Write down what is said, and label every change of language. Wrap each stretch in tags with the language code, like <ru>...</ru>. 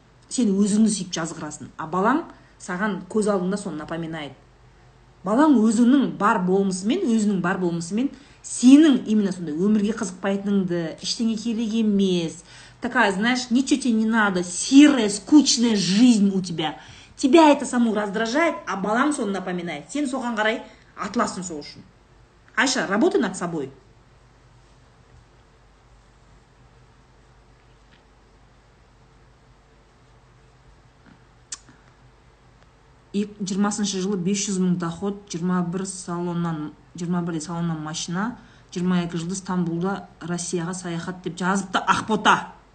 <kk>Сен өзіңді сүйіп жазғырасың, а балаң саған көз алдында соны напоминает. Балаң өзінің бар болмысымен, өзінің бар болмысымен сенің именно сондай өмірге қызықпайтыныңды, іштеңе керек емес,</kk> <ru>такая, знаешь, ничего тебе не надо, серая, скучная жизнь у тебя. Тебя это саму раздражает, а баланс он напоминает.</ru> <kk>Сен соған қарай атласың сол үшін. Айша,</kk> <ru>работай над собой.</ru> <kk>И 20-шы жылы 500 мың доход, 21 салоннан, 21 салоннан машина, 22 жылы Стамбулда Россияға саяхат деп жазыпты Ақбота.</kk>